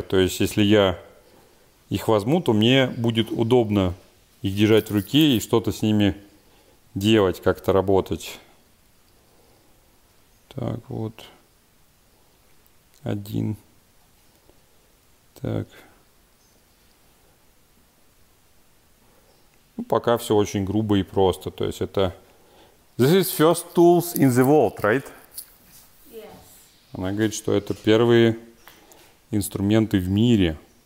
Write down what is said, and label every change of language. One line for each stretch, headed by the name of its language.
Russian: То есть, если я их возьму, то мне будет удобно их держать в руке и что-то с ними делать, как-то работать. Так, вот. Один. Так. Пока все очень грубо и просто, то есть это...
English: This is first tools in the world, right? Yes.
Russian: Она говорит, что это первые инструменты в мире.